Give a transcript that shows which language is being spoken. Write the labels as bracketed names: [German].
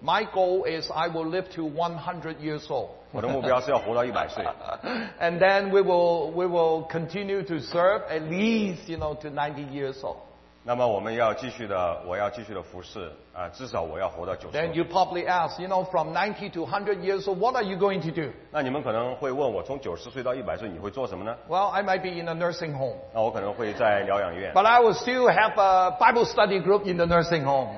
[English] My goal is I will live to 100 years old. [Chinese] 我的目标是要活到100岁。 [English] And then we will continue to serve at least, you know, to 90 years old. [Chinese] 那么我要继续的服侍, 至少我要活到90岁。 [English] Then you probably ask, you know, from 90 to 100 years old, what are you going to do? [Chinese] 那你们可能会问我, 从90岁到100岁, 你会做什么呢? [English] Well, I might be in a nursing home. [Chinese] 那我可能会在疗养院。 [English] But I will still have a Bible study group in the nursing home.